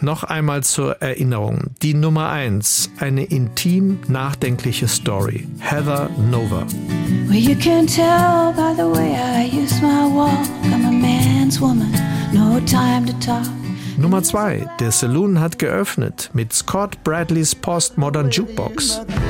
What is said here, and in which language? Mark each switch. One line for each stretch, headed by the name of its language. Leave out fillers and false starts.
German: Noch einmal zur Erinnerung. Die Nummer 1, eine intim nachdenkliche Story. Heather Nova.
English: Well, you can tell by the way I use my walk. I'm a man's woman, no time to talk.
German: Nummer 2, der Saloon hat geöffnet mit Scott Bradleys Postmodern Jukebox.